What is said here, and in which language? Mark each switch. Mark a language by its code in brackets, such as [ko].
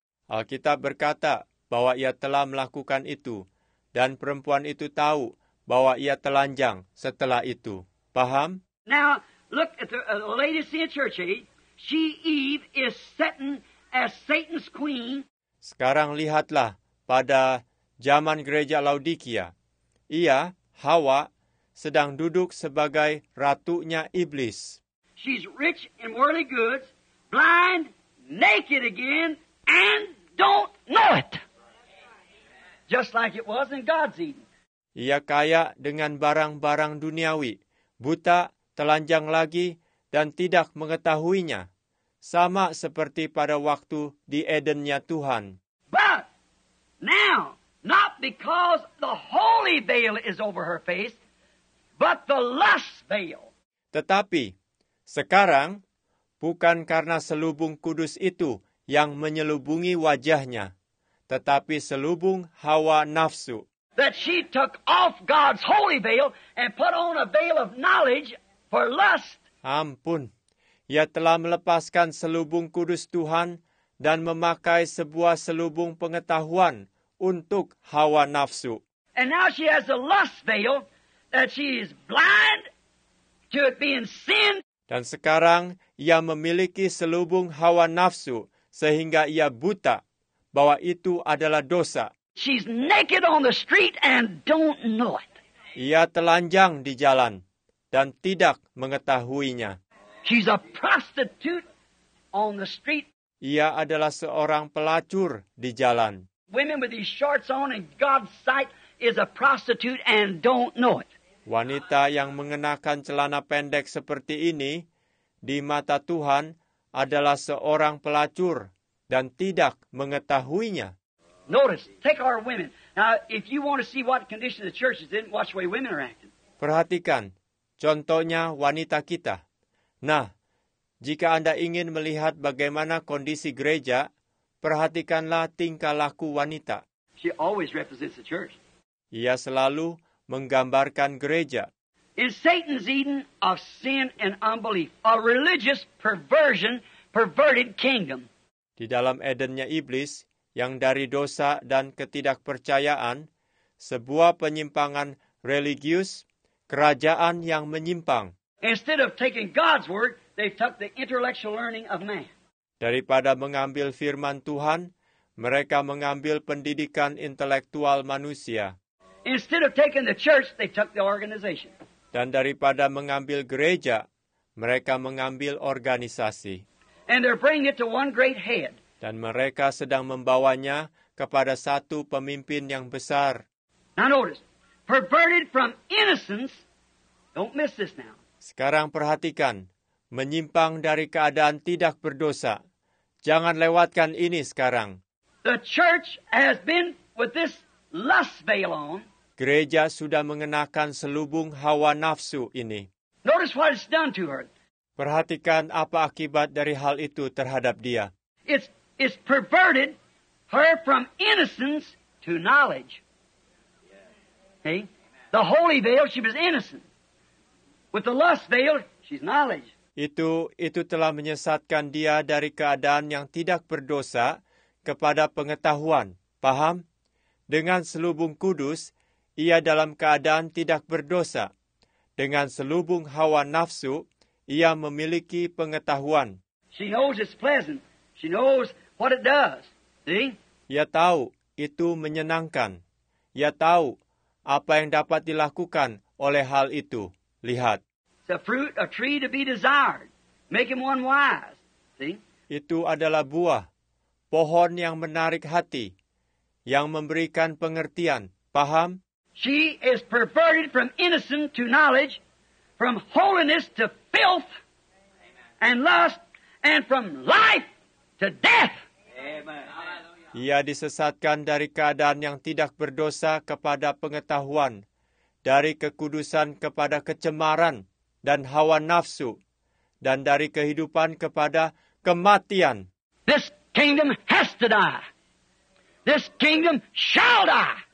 [id] Alkitab berkata bahwa ia telah melakukan itu, dan perempuan itu tahu bahwa ia telanjang setelah itu. Paham? [en] Now, look at the latest in church, she, Eve, is setting as Satan's queen. [id] Sekarang lihatlah pada zaman gereja Laodikia. Ia, Hawa, sedang duduk sebagai ratunya iblis. [en] She's rich in worldly goods, blind, naked again, and don't know it. Just like it was in God's Eden. [id] Ia kaya dengan barang-barang duniawi, buta, telanjang lagi, dan tidak mengetahuinya. Sama seperti pada waktu di Edennya Tuhan. [en] But now, not because the holy veil is over her face, but the lust veil. [id] Tetapi, sekarang, bukan karena selubung kudus itu yang menyelubungi wajahnya, tetapi selubung hawa nafsu. [en] That she took off God's holy veil and put on a veil of knowledge for lust. [id] Ampun, ia telah melepaskan selubung kudus Tuhan dan memakai sebuah selubung pengetahuan untuk hawa nafsu. [en] And now she has a lust veil that she is blind to it being sin. [id] Dan sekarang ia memiliki selubung hawa nafsu sehingga ia buta bahwa itu adalah dosa. [en] She's naked on the street and don't know it. [id] Ia telanjang di jalan dan tidak mengetahuinya. [en] She's a prostitute on the street. [id] Ia adalah seorang pelacur di jalan. [en] Women with these shorts on in God's sight is a prostitute and don't know it. [id] Wanita yang mengenakan celana pendek seperti ini di mata Tuhan adalah seorang pelacur dan tidak mengetahuinya. [en] Notice, take our women. Now, if you want to see what condition the church is in, watch the way women are acting. [id] Perhatikan, contohnya wanita kita. Nah, jika Anda ingin melihat bagaimana kondisi gereja, perhatikanlah tingkah laku wanita. [en] She always represents the church. [id] Ia selalu menggambarkan gereja. [en] In Satan's Eden of sin and unbelief, a religious perversion, perverted kingdom. [id] Di dalam Edennya iblis, yang dari dosa dan ketidakpercayaan, sebuah penyimpangan religius, kerajaan yang menyimpang. [en] Instead of taking God's word, they took the intellectual learning of man. [id] Daripada mengambil firman Tuhan, mereka mengambil pendidikan intelektual manusia. [en] Instead of taking the church, they took the organization. [id] Dan daripada mengambil gereja, mereka mengambil organisasi. [en] And they're bringing it to one great head. [id] Dan mereka sedang membawanya kepada satu pemimpin yang besar. [en] Now notice, perverted from innocence, don't miss this now. [id] Sekarang perhatikan, menyimpang dari keadaan tidak berdosa. Jangan lewatkan ini sekarang. [en] The church has been with this lust veil on. [id] Gereja sudah mengenakan selubung hawa nafsu ini. [en] Notice what it's done to her. [id] Perhatikan apa akibat dari hal itu terhadap dia. [en] It's perverted her from innocence to knowledge. Okay? The holy veil, she was innocent. With the lust veil, she's knowledge. [id] Itu telah menyesatkan dia dari keadaan yang tidak berdosa kepada pengetahuan. Paham? Dengan selubung kudus, ia dalam keadaan tidak berdosa. Dengan selubung hawa nafsu, ia memiliki pengetahuan. [en] She knows it's pleasant. She knows what it does. See? [id] Ia tahu itu menyenangkan. Ia tahu apa yang dapat dilakukan oleh hal itu. Lihat. [en] The fruit, a tree to be desired, making one wise. See? [id] Itu adalah buah, pohon yang menarik hati, yang memberikan pengertian. Paham? [en] She is perverted from innocence to knowledge, from holiness to filth, and lust, and from life to death. Amen. [id] Ia disesatkan dari keadaan yang tidak berdosa kepada pengetahuan, dari kekudusan kepada kecemaran dan hawa nafsu, dan dari kehidupan kepada kematian. [en] This kingdom has to die. This kingdom shall die.